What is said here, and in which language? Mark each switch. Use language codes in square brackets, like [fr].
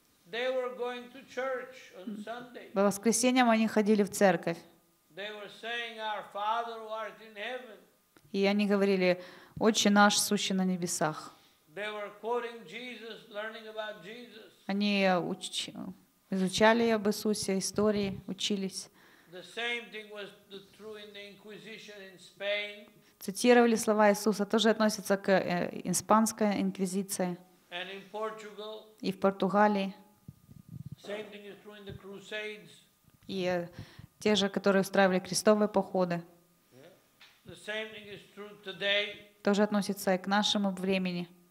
[en] they were going to church on Sunday. [ru] По воскресеньям они ходили в церковь. [en] They were saying, "Our Father who art in heaven." [ru] И они говорили: «Отче наш, сущий на небесах». [en] They were quoting Jesus, learning about Jesus. [ru] Они изучали об Иисусе, истории, учились. [en] The same thing was true in the Inquisition in Spain. [ru] Цитировали слова Иисуса, тоже относится к испанской инквизиции. [en] And in Portugal. [ru] И в Португалии. [en] Same thing is true in the Crusades. [ru] И те же, которые устраивали крестовые походы. [en] The same thing is true today. [ru] Тоже относится и к нашему времени.